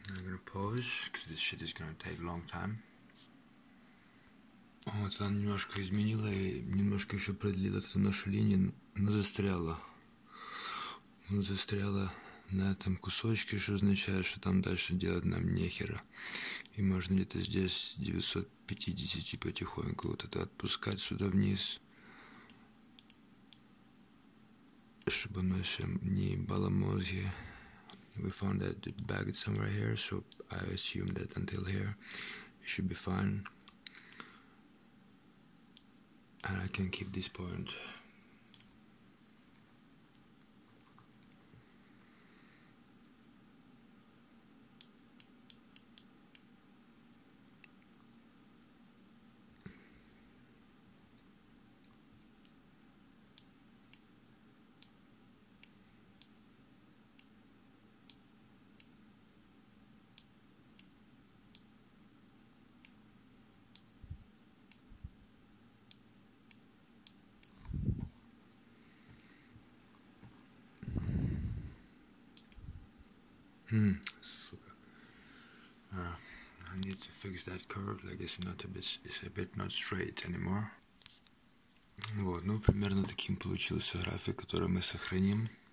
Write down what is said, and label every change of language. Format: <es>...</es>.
<en>Because this shit is gonna take a long time.</en> <ru>Вот она немножко изменила и немножко еще продлила эту нашу линию, но застряла. Она застряла на этом кусочке, что означает, что там дальше делать нам нехера. И можно где-то здесь 950 и потихоньку вот это отпускать сюда вниз. Чтобы оно все не ебало мозги.</ru> <en>We found that it bagged somewhere here, so I assume that until here it should be fine. And I can keep this point. I need to fix that curve, like it's not a bit, it's a bit not straight anymore.</en> <ru>Вот, ну примерно таким получился график, который мы сохраним.</ru>